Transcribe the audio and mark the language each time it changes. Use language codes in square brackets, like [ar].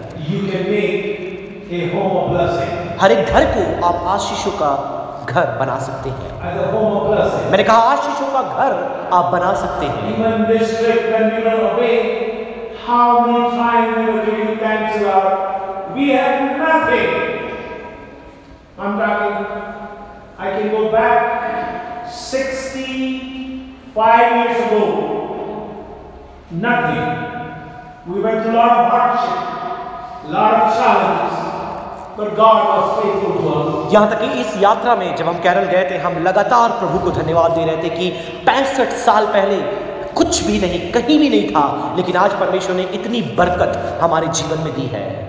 [en] you can make a home of blessing, [hi] हर एक घर को आप आशीषों का घर बना सकते हैं। [en] As a home of blessing. [hi] मैंने कहा आशीषों का घर आप बना सकते हैं। [en] Even this trip when we were away, how many times we were giving thanks to God, we had nothing. I'm talking, I can go back 65 years ago, nothing. We went through a lot of hardship, a lot of challenges. [hi] यहाँ तक कि इस यात्रा में जब हम केरल गए थे, हम लगातार प्रभु को धन्यवाद दे रहे थे कि 65 साल पहले कुछ भी नहीं, कहीं भी नहीं था, लेकिन आज परमेश्वर ने इतनी बरकत हमारे जीवन में दी है।